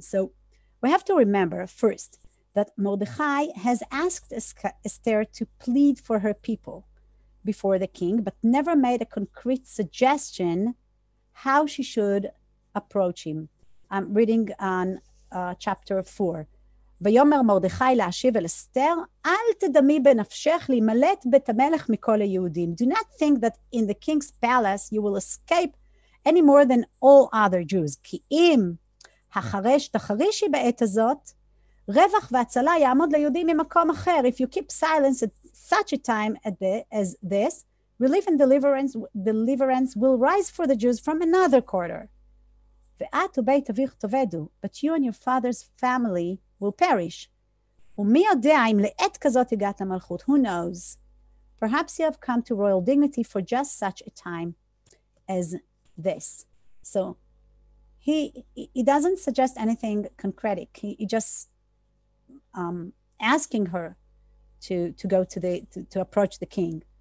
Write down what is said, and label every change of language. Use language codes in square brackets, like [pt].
[en] So we have to remember first that Mordechai has asked Esther to plead for her people before the king, but never made a concrete suggestion how she should approach him. I'm reading on chapter 4. [he] ויאמר מרדכי להשיב אל אסתר, אל תדמי בנפשך להימלט בית המלך מכל היהודים. [en] Do not think that in the king's palace you will escape any more than all other Jews. [he] כי אם החרש תחרישי בעת הזאת, רווח והצלה יעמוד ליהודים ממקום אחר. [en] If you keep silence at such a time as this, relief and deliverance will rise for the Jews from another quarter. [he] ואת ובית אביך תובדו, [en] but you and your father's family will perish. [he] ומי יודע אם לעת כזאת הגעת למלכות? [en] Who knows? Perhaps you have come to royal dignity for just such a time as this. So he doesn't suggest anything concrete. He just asking her to go to the to approach the king.